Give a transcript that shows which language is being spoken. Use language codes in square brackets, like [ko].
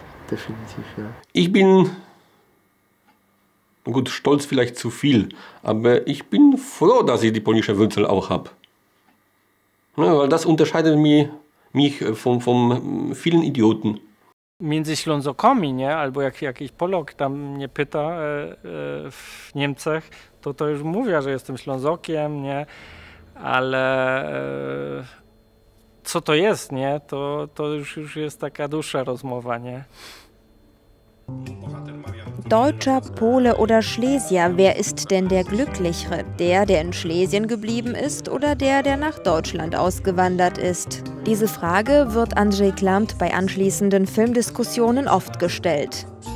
[de] Definitiv, ja. Ich bin, gut, stolz vielleicht zu viel, aber ich bin froh, dass ich die polnische Wurzel auch habe. Ja, weil das unterscheidet mich von vielen Idioten. Mien sich lohnt so kommen, ja, [pl] albo jakich Polak tam mnie pyta w Niemczech, to już mówię, że jestem Ślązokiem, nie? Ale co to jest, nie? To już jest taka dłuższa rozmowa, nie? [de] Deutscher, Pole oder Schlesier, wer ist denn der Glücklichere? Der in Schlesien geblieben ist oder der nach Deutschland ausgewandert ist? Diese Frage wird Andrzej Klamt bei anschließenden Filmdiskussionen oft gestellt.